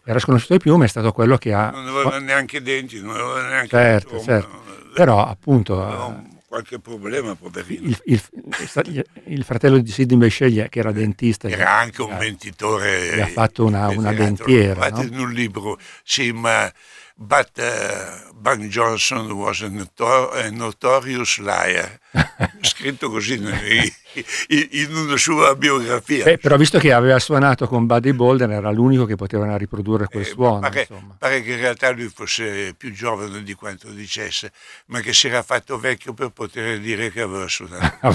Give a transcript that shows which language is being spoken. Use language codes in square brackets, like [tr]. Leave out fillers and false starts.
[it] Era sconosciuto di più, ma è stato quello che ha... Non aveva neanche denti, non aveva neanche... Certo, trombo, certo. Però appunto... qualche problema, poverino. Il fratello di Sidney Bechet, che era dentista... Era anche un mentitore. Gli ha fatto una dentiera, fatto, In un libro, sì, ma [en] But Bang Johnson was a notorious liar. [it] Scritto così in una sua biografia. Però visto che aveva suonato con Buddy Bolden, era l'unico che poteva riprodurre quel suono. Pare che in realtà lui fosse più giovane di quanto dicesse, ma che si era fatto vecchio per poter dire che aveva suonato.